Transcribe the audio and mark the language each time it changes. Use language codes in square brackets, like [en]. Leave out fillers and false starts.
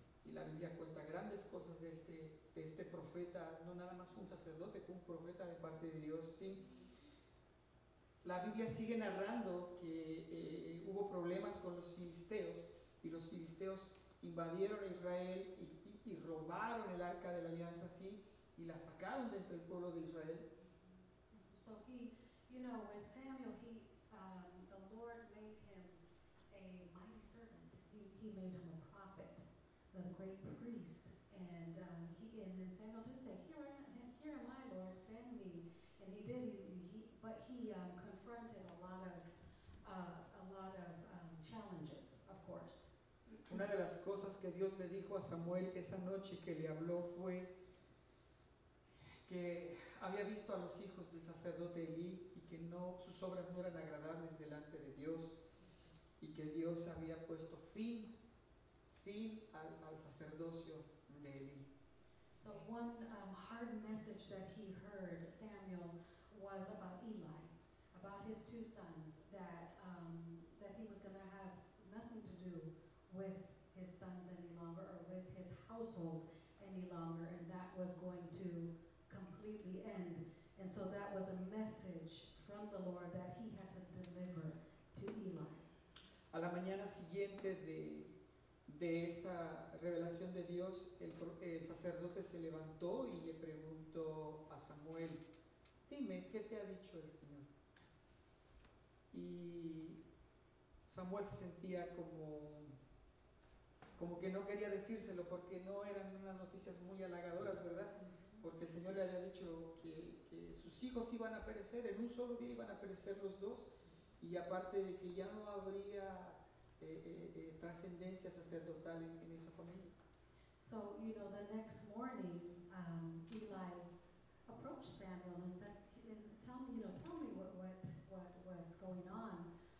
[es] Y la Biblia cuenta grandes cosas de este profeta, no nada más fue un sacerdote, fue un profeta de parte de Dios, ¿sí? La Biblia sigue narrando que hubo problemas con los filisteos, y los filisteos invadieron a Israel y robaron el arca de la alianza, ¿sí? Y la sacaron de entre el pueblo de Israel. [en] So he, you know, when Samuel, the Lord made him a mighty servant, he made him a prophet. The great priest, and Samuel did say, here am I, Lord, send me. And he did. He confronted a lot of challenges, of course. [es] Una de las cosas que Dios le dijo a Samuel esa noche que le habló fue que había visto a los hijos del sacerdote Eli y que no sus obras no eran agradables delante de Dios y que Dios había puesto fin al sacerdocio de Eli. [en] So one hard message that he heard Samuel was about Eli, about his two sons, that he was going to have nothing to do with his sons any longer or with his household any longer, and that was going to completely end. And so that was a message from the Lord that he had to deliver to Eli. [es] A la mañana siguiente de esa revelación de Dios, el sacerdote se levantó y le preguntó a Samuel, dime, ¿qué te ha dicho el Señor? Y Samuel se sentía como que no quería decírselo porque no eran unas noticias muy halagadoras, ¿verdad? Porque el Señor le había dicho que sus hijos iban a perecer, en un solo día iban a perecer los dos, y aparte de que ya no habría trascendencia sacerdotal en esa familia. [en] So, you know, the next morning, Eli approached Samuel and said, tell me what's going on.